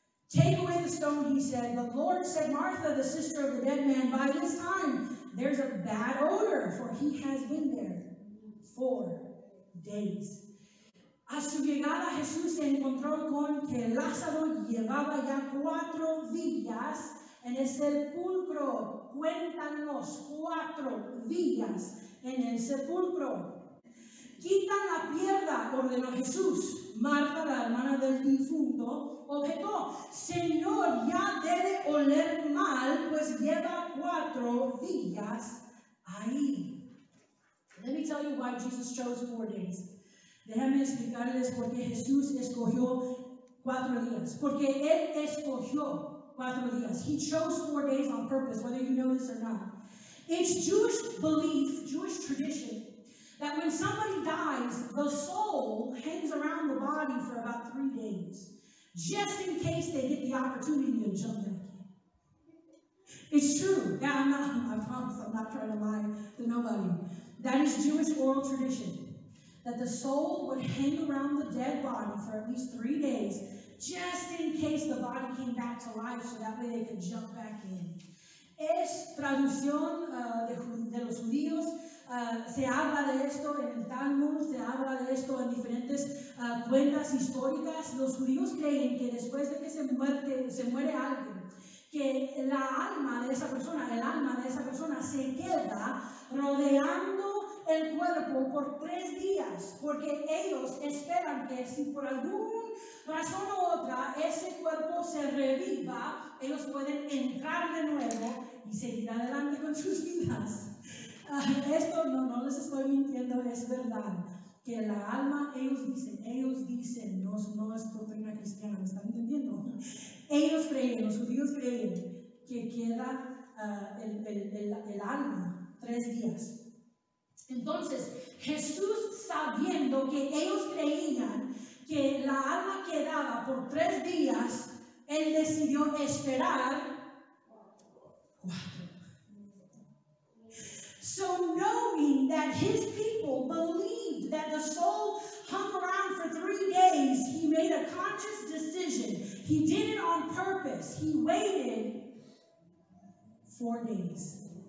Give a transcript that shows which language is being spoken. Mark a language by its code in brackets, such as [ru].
[en] Take away the stone, he said. The Lord said, Martha, the sister of the dead man, by this time, there's a bad odor, for he has been there 4 days. [es] A su llegada, Jesús se encontró con que Lázaro llevaba ya 4 días en el sepulcro. Cuéntanos, 4 días en el sepulcro. Quita la piedra, ordenó Jesús. Marta, la hermana del difunto, objetó, Señor, ya debe oler mal, pues lleva 4 días ahí. [en] Let me tell you why Jesus chose 4 days. [es] Déjame explicarles por qué Jesús escogió 4 días. Porque Él escogió 4 días. [en] He chose 4 days on purpose, whether you know this or not. It's Jewish belief, Jewish tradition, that when somebody dies, the soul hangs around the body for about 3 days, just in case they get the opportunity to jump back in. It's true. Yeah, I promise I'm not trying to lie to nobody. That is Jewish oral tradition, that the soul would hang around the dead body for at least 3 days, just in case the body came back to life, so that way they could jump back in. [es] es traducción de los judíos. Se habla de esto en el Talmud, se habla de esto en diferentes cuentas históricas. Los judíos creen que después de que se muere alguien, que la alma de esa persona, el alma de esa persona se queda rodeando el cuerpo por 3 días, porque ellos esperan que si por alguna razón u otra ese cuerpo se reviva, ellos pueden entrar de nuevo y seguir adelante con sus vidas. Esto no les estoy mintiendo, es verdad. Que la alma, ellos dicen, no es doctrina cristiana, ¿me están entendiendo? Ellos creen, los judíos creen, que queda el alma 3 días. Entonces, Jesús, sabiendo que ellos creían que la alma quedaba por 3 días, Él decidió esperar 4. [en] So knowing that His people believed that the soul hung around for 3 days, He made a conscious decision. He did it on purpose. He waited 4 days.